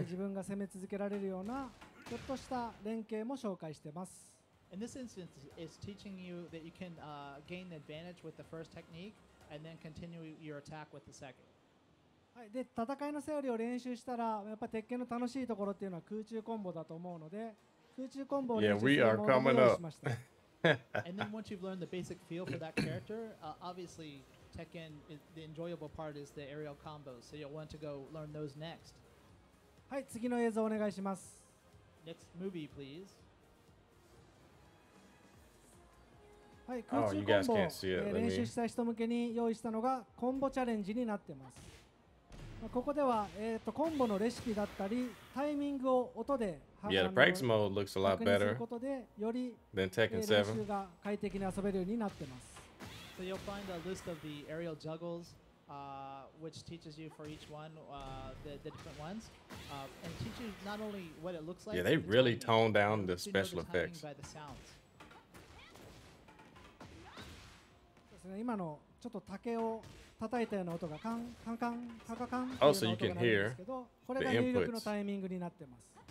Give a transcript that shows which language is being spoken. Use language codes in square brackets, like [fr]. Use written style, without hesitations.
[ja] 自分が攻め続けられるようなちょっとした連携も紹介してます。 [en] In this instance, it's teaching you that you can gain advantage with the first technique and then continue your attack with the second. [ja] はい、で戦いのセオリーを練習したら、やっぱり鉄拳の楽しいところっていうのは空中コンボだと思うので、空中コンボを練習するものを用意しました。 [en] And then once you've learned the basic feel for that character, obviously. Tekken, the enjoyable part is the aerial combos, so you'll want to go learn those next. [ja] はい、次の映像お願いします。 [en] Next movie, please. [ja] はい、空中コンボ、練習したい人向けに用意したのがコンボチャレンジになってます。ここでは、コンボのレシピだったり、タイミングを音で [en] Yeah, the practice mode looks a lot better than Tekken 7. [ja] 練習が快適に遊べるようになってます。 [en] So you'll find a list of the aerial juggles, which teaches you for each one, the different ones, and teaches not only what it looks like. Yeah, they really toned down the special effects. By the sounds. [ja] 今のちょっと竹を叩いたような音がカンカンカンカカカン。 [en] Oh, so you can hear the inputs. [ja] これが入力のタイミングになってます。